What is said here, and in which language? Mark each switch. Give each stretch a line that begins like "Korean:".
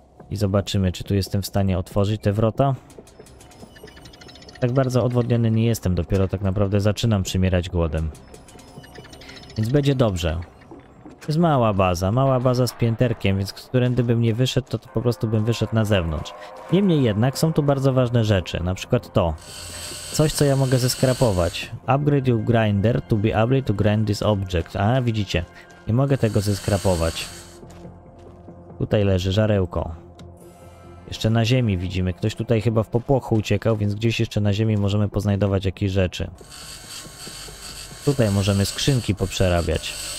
Polish: I zobaczymy, czy tu jestem w stanie otworzyć te wrota. Tak bardzo odwodniony nie jestem, dopiero tak naprawdę zaczynam przymierać głodem. Więc będzie dobrze. To jest mała baza z pięterkiem, więc którędy bym nie wyszedł, to po prostu bym wyszedł na zewnątrz. Niemniej jednak są tu bardzo ważne rzeczy, na przykład to. Coś, co ja mogę zeskrapować.
English: Upgrade your grinder to be able to grind this object.
Polish: A, widzicie, nie mogę tego zeskrapować. Tutaj leży żarełko. Jeszcze na ziemi widzimy. Ktoś tutaj chyba w popłochu uciekał, więc gdzieś jeszcze na ziemi możemy poznajdować jakieś rzeczy. Tutaj możemy skrzynki poprzerabiać.